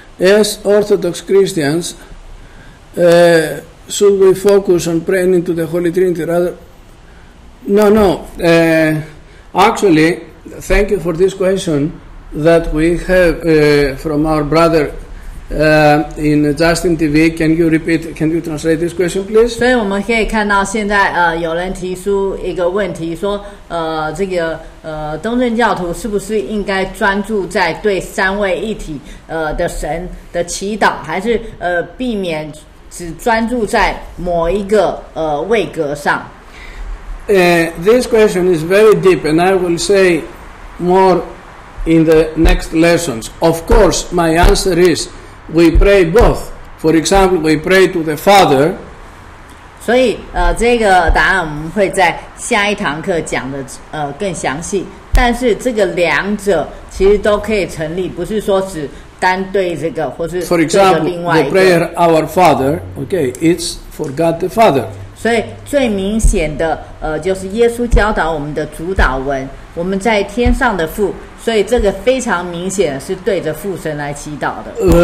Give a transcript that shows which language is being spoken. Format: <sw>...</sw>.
<en>As Orthodox Christians, should we focus on praying to the Holy Trinity rather? No. Actually, thank you for this question that we have from our brother in Justin TV. Can you repeat? Can you translate this question, please?</en> <zh>所以我们可以看到现在有人提出一个问题，说这个东正教徒是不是应该专注在对三位一体的神的祈祷，还是避免只专注在某一个位格上？</zh> <en>This question is very deep, and I will say more in the next lessons. Of course, my answer is we pray both. For example, we pray to the Father.</en> <zh>所以，这个答案我们会在下一堂课讲的更详细。但是，这个两者其实都可以成立，不是说只单对这个，或是对着另外一个。</zh> <en>For example, the prayer Our Father, okay, it's for God the Father.</en> <zh>所以最明显的就是耶稣教导我们的主导文，我们在天上的父，所以这个非常明显是对着父神来祈祷的。</zh>